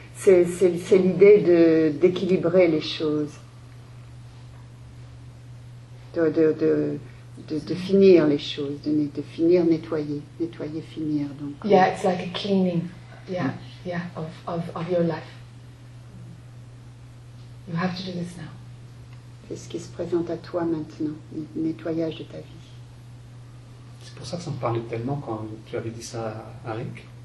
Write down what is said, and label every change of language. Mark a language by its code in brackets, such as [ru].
[fr] C'est l'idée d'équilibrer les choses, de finir les choses, de finir, nettoyer, finir. Donc. [en] Yeah, it's like a cleaning. Yeah, of your life. You have to do this now. [fr] C'est ce qui se présente à toi maintenant, le nettoyage de ta vie. C'est pour ça que ça me parlait tellement quand tu avais dit ça à Rick.